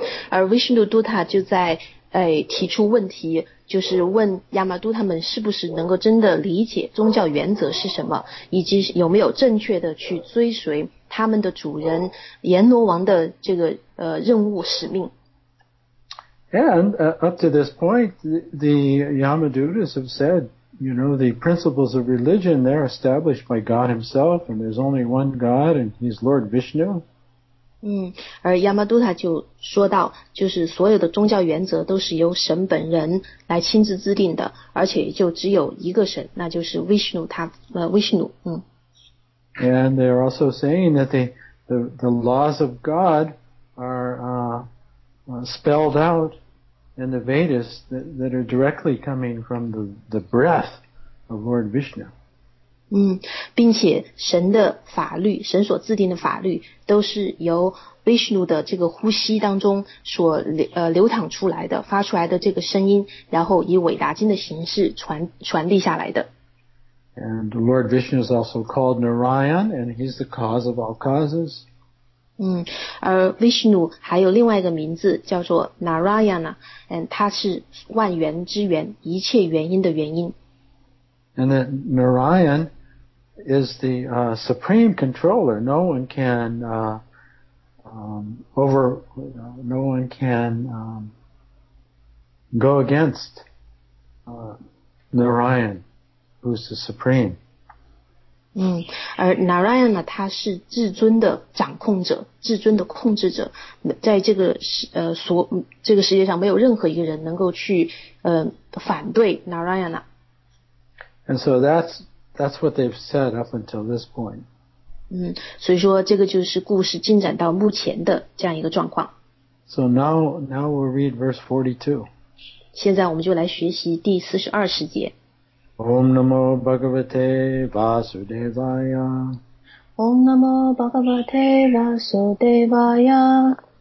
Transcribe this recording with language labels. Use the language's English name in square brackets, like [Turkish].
[Chinese] 而 Vishnu Duta 就在提出问题，就是问亚玛都他们是不是能够真的理解宗教原则是什么，以及有没有正确的去追随他们的主人阎罗王的这个任务使命。 [English] And up to this point, the Yamadutas have said, you know, the principles of religion, they're established by God himself, and there's only one God, and he's Lord Vishnu. [Chinese] 而亚玛都塔就说到，就是所有的宗教原则都是由神本人来亲自制定的，而且就只有一个神，那就是 Vishnu, 他 Vishnu. [English] And they're also saying that the laws of God are spelled out in the Vedas that are directly coming from the breath of Lord Vishnu. [Chinese] 并且神的法律，神所制定的法律都是由 Vishnu 的这个呼吸当中所流淌出来的，发出来的这个声音，然后以伟达经的形式传递下来的。 [English] And Lord Vishnu is also called Narayan, and he's the cause of all causes. [Chinese] 而 Vishnu 还有另外一个名字叫做 Narayana, and 他是万源之源，一切原因的原因。 [English] And that Narayan is the supreme controller. No one can go against Narayan. Who's the supreme? [Chinese] 而 Narayan 呢，他是至尊的掌控者，至尊的控制者，在这个世界上没有任何一个人能够去反对 Narayan。 [English] And so that's what they've said up until this point. [Chinese] 所以说这个就是故事进展到目前的这样一个状况。 [English] So now we'll read verse 42. [Chinese] 现在我们就来学习第42世节。 [Sanskrit] Om Namo Bhagavate Vasudevaya. Om Namo Bhagavate Vasudevaya.